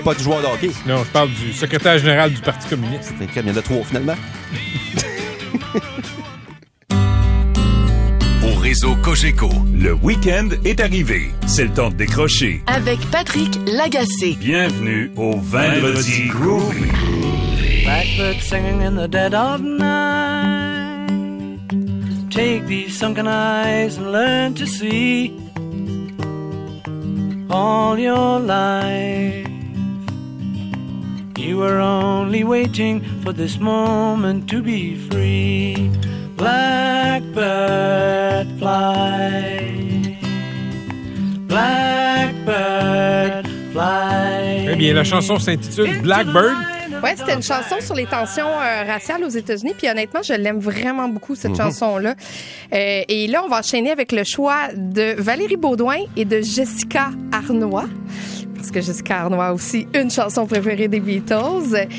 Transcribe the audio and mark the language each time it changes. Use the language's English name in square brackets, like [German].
[French] Pas du joueur de hockey. Non, je parle du secrétaire général du Parti communiste. C'est un camion de trois, finalement. Au réseau Cogeco, le week-end est arrivé. C'est le temps de décrocher. Avec Patrick Lagacé. Bienvenue au Vendredi Groovy. [English] Blackbird singing in the dead of night. Take these sunken eyes and learn to see all your life. You are only waiting for this moment to be free. Blackbird fly, blackbird fly. [French] Eh bien, la chanson s'intitule Blackbird. Ouais, c'était une chanson sur les tensions raciales aux États-Unis. Puis honnêtement, je l'aime vraiment beaucoup, cette chanson-là. Et là, on va enchaîner avec le choix de Valérie Beaudoin et de Jessica Arnois. Parce que Jessica Arnois a aussi une chanson préférée des Beatles.